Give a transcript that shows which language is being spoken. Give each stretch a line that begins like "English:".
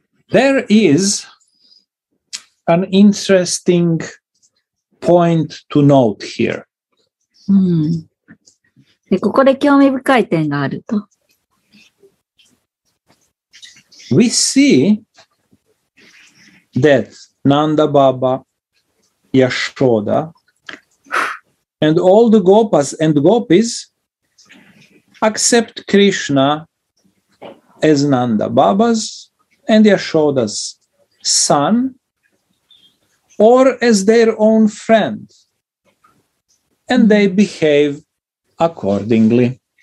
English: There is an interesting point to note here.
Japanese: で、ここで興味深い点があると。
English: We see that Nanda Baba, Yashoda, and all the Gopas and Gopis accept Krishna as Nanda Baba's and Yashoda's son or as their own friend, and they behave accordingly.